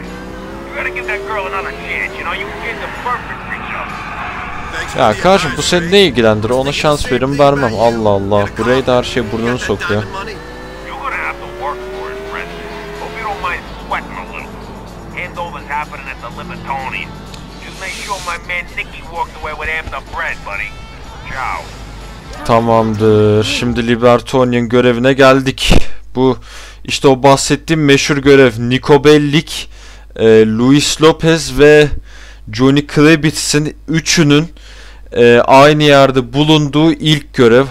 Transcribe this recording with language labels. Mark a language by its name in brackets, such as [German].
[English] You gotta give that girl another chance, you know? You get the perfect thing, you know? [Turkish] Ya kardeşim, bu seni ne ilgilendir? Ona şans verim vermem. Allah Allah. Bu Ray'de her şey burnunu sokuyor. [English] You're gonna have to work for it, friend. Hope you don't mind sweating a little. Handover's happening at the Libertonian. Just make sure my man Nicky walked away with half the bread, buddy. [Italian] Ciao. [Turkish] Tamamdır. Şimdi Libertonian görevine geldik. Bu işte o bahsettiğim meşhur görev. Nico Bellic, Luis Lopez ve Johnny Klebitz'in üçünün aynı yerde bulunduğu ilk görev.